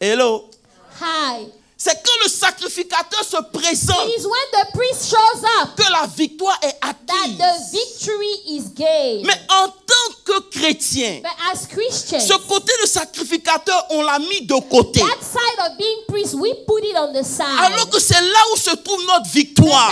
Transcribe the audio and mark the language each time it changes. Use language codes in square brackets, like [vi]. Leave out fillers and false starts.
[en] hello. Hi. [fr] C'est quand le sacrificateur se présente, [en] it is when the priest shows up, [fr] que la victoire est acquise. [en] That the victory is gained. [fr] Mais en tant que chrétien, [en] but as Christians, [fr] ce côté de sacrificateur, on l'a mis de côté. [en] That side of being priest, we put it on the side. [fr] Alors que c'est là où se trouve notre victoire.